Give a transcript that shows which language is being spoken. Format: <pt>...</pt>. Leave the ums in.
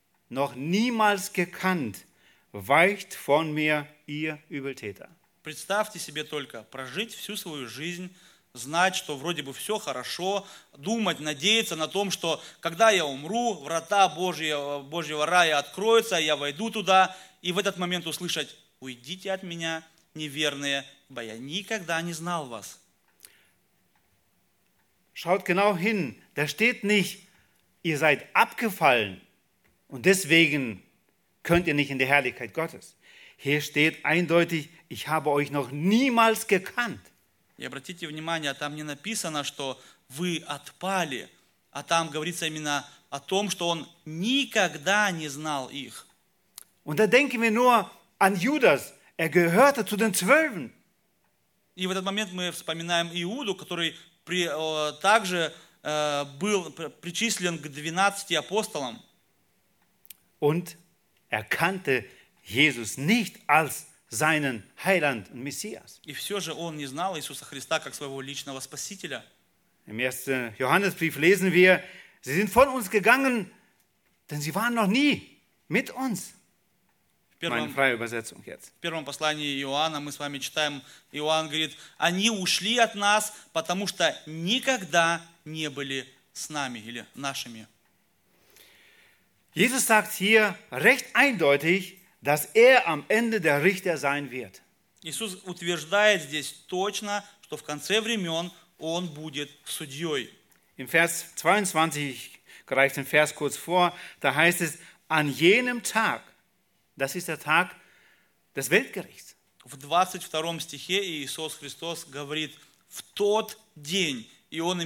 <de>noch niemals gekannt, weicht von mir, ihr Übeltäter.</de> <ru>Представьте себе только, прожить всю свою жизнь, знать, что вроде бы все хорошо, думать, надеяться на том, что когда я умру, врата Божьего, Божьего рая откроются, я войду туда, и в этот момент услышать, уйдите от меня, неверные, ибо я никогда не знал вас.</ru> <de>Schaut genau hin, da steht nicht, ihr seid abgefallen, Und deswegen könnt ihr nicht in die Herrlichkeit Gottes. Hier steht eindeutig, ich habe euch noch niemals gekannt.</de> <ru>И обратите внимание, там не написано, что вы отпали, а там говорится именно о том, что он никогда не знал их.</ru> <de>Und da denken wir nur an Judas. Er gehörte zu den Zwölfen.</de> <ru>И в этот момент мы вспоминаем Иуду, который при, также äh, был причислен к двенадцати</ru> <de>апостолам und erkannte Jesus nicht als seinen Heiland und Messias.</de> <ru>И все же он не знал Иисуса Христа как своего личного</ru> <de>Im ersten Johannesbrief lesen wir, sie sind von uns gegangen, denn sie waren noch nie mit uns. Meine freie Übersetzung jetzt.</de> <ru>В первом послании Иоанна мы с вами читаем, Иоанн говорит, они ушли от нас, потому что никогда не были с нами или нашими.</ru> <de>Jesus sagt hier recht eindeutig, dass er am Ende der Richter sein wird.</de> <ru>Jesus утверждает здесь точно, что в конце времен он будет судьей.</ru> <de>Im Vers 22 greift den Vers kurz vor. Da heißt es: An jenem Tag, das ist der Tag des Weltgerichts.</de> <ru>В 22 стихе Иисус Христос говорит: В тот день, и</ru>